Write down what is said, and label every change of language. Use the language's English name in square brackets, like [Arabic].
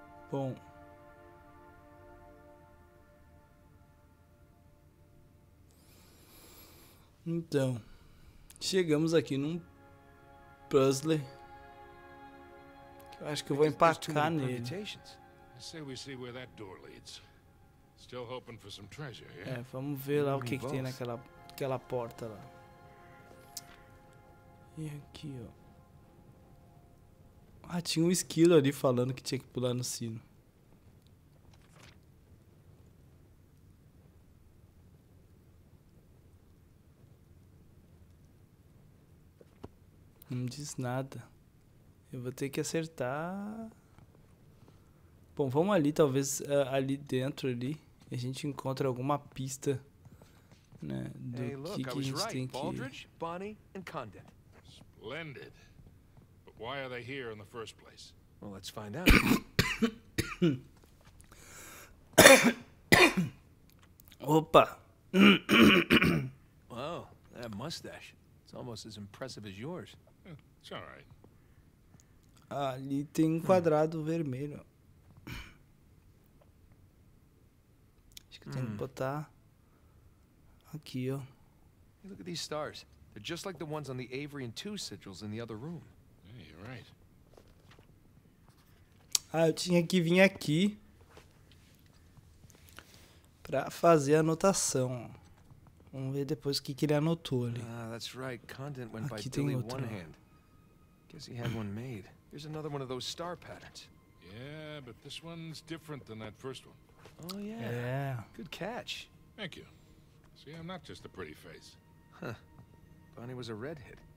[Portuguese] Bom. Então, chegamos aqui num puzzle. Eu acho que eu vou empacar nele. [English] Say we see where that door leads. Still hoping for some treasure, yeah? [Portuguese] É, vamos ver lá o que tem naquela porta lá. E aqui, ó. Ah, tinha um esquilo ali falando que tinha que pular no sino. Não diz nada. Eu vou ter que acertar. Bom, vamos ali, talvez ali dentro ali, a gente encontra alguma pista, né, do que a gente tem que... [English] Baldridge, Bonny and Condent. Splendid. But why are they here in the first place? Well, let's find out. [Portuguese] Opa. [English] Wow, that mustache. It's almost as impressive as yours. It's all right. [Portuguese] Ali tem um quadrado vermelho. Tem que botar aqui, ó. [English] Hey, look at these stars. They're just like the ones on the Avery and Two sigils in the other room. Hey, you're right. [Portuguese] Ah, eu tinha que vir aqui pra fazer a anotação. Vamos ver depois o que ele anotou ali. [English] Ah, that's right. Condent went by Billy One Hand. Guess he had one made. Here's another one of those star patterns. Yeah, but this one's different than that first one. Oh yeah. Yeah. Good catch. Thank you. See, I'm not just a pretty face. Huh. Bonny was a redhead.